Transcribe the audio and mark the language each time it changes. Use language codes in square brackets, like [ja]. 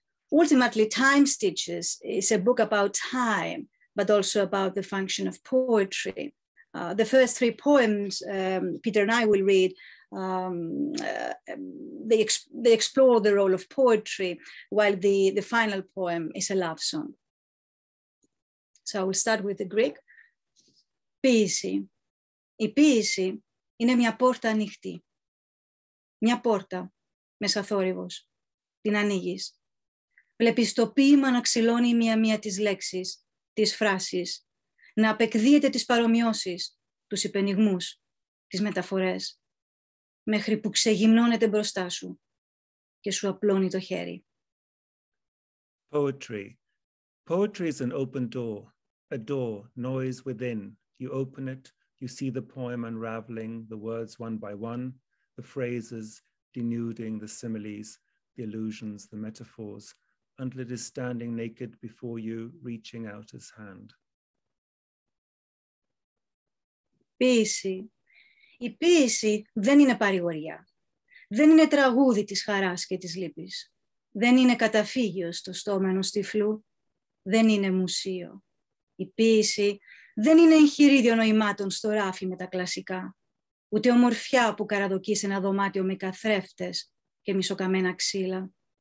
[en] Ultimately, Time Stitches is a book about time, but also about the function of poetry. The first three poems Peter and I will read, they explore the role of poetry, while the final poem is a love song. So I will start with the Greek. Ποίηση. [el] Η ποίηση είναι μια πόρτα ανοιχτή. Μια πόρτα μέσα θόρυβος. Την ανοίγεις. Βλέπεις το ποίημα να ξυλώνει μία-μία τις λέξεις, τις φράσεις, να απεκδίεται τις παρομοιώσεις, τους υπαινιγμούς, τις μεταφορές, μέχρι που ξεγυμνώνεται μπροστά σου και σου απλώνει το χέρι. [en] Poetry. Poetry is an open door, a door, noise within. You open it, you see the poem unraveling, the words one by one, the phrases denuding, the similes, the allusions, the metaphors, until it is standing naked before you, reaching out his hand. [el] Ποίηση. Η ποίηση δεν είναι παρηγοριά. Δεν είναι τραγούδι της χαράς και της λύπης. Δεν είναι καταφύγιο στο στόμα ενός τυφλού. Δεν είναι μουσείο. Η ποίηση δεν είναι εγχειρίδιο νοημάτων στο ράφι με τα κλασικά, ούτε ομορφιά που καραδοκεί σε ένα δωμάτιο με καθρέφτες και μισοκαμμένα ξύλα.